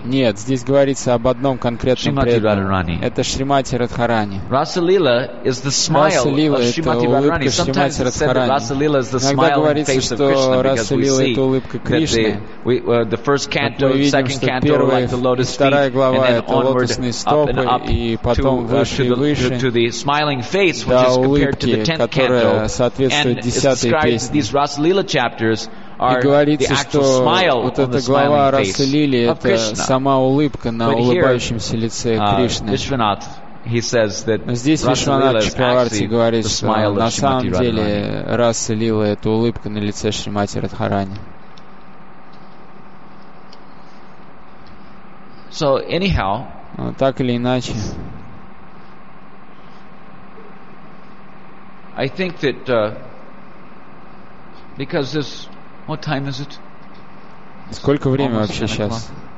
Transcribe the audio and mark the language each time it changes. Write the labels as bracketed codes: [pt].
[ru] Нет, здесь говорится об одном конкретном преданном. Это Шримати Радхарани. [en] Rasalila is the smile of Shrimati Radharani. Sometimes it's said that Rasalila is the smile on the face of Krishna, because we see the first canto, second canto are like the lotus feet, and then onward up and up to the smiling face, which is compared to the tenth canto, and it's described that these Rasalila chapters are [ru] и говорится, что вот эта глава Расалили — это сама улыбка на улыбающемся лице Кришны. Здесь Вишванат Чакраварти говорит, что на самом деле Расалила — это улыбка на лице Шримати Радхарани. [en] So, anyhow, [ru] так или иначе, [en] I think that because this what time is it? [ru] Сколько время вообще сейчас?